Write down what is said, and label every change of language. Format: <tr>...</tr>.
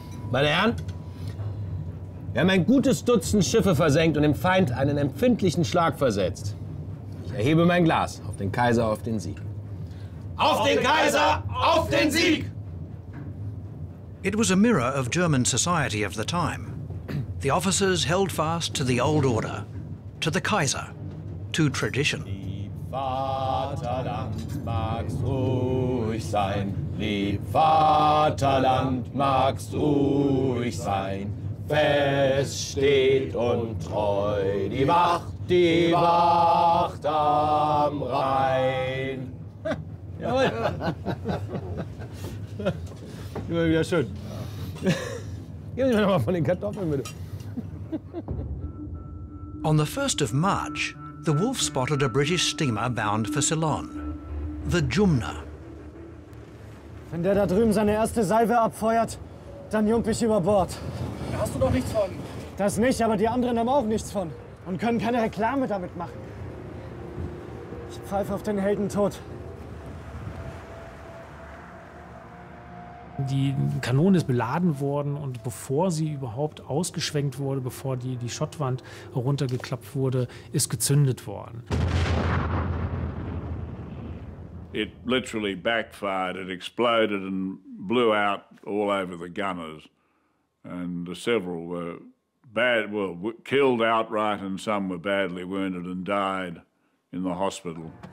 <de>Meine Herren, wir haben ein gutes Dutzend Schiffe versenkt und dem Feind einen empfindlichen Schlag versetzt. Ich erhebe mein Glas auf den Kaiser, auf den Sieg. Auf den Kaiser, auf den Sieg!</de> <en>It was a mirror of German society of the time. The officers held fast to the old order, to the Kaiser, to tradition.</en> <de>Lieb Vaterland mag's ruhig sein. Lieb Vaterland mag's ruhig sein. Fest steht und treu die Wacht am Rhein. Immer wieder schön. Gib mir noch mal von den Kartoffeln, bitte.</de> <en>On the 1st of March, the Wolf spotted a British steamer bound for Ceylon, the Jumna.</en> <de>Wenn der da drüben seine erste Salve abfeuert, dann jump ich über Bord. Da hast du doch nichts von. Das nicht, aber die anderen haben auch nichts von und können keine Reklame damit machen. Ich pfeife auf den Heldentod. Die Kanone ist beladen worden und bevor sie überhaupt ausgeschwenkt wurde, bevor die Schottwand runtergeklappt wurde, ist gezündet worden.</de> <en>It literally backfired. It exploded and blew out all over the gunners. And several were killed outright and some were badly wounded and died in the hospital.</en>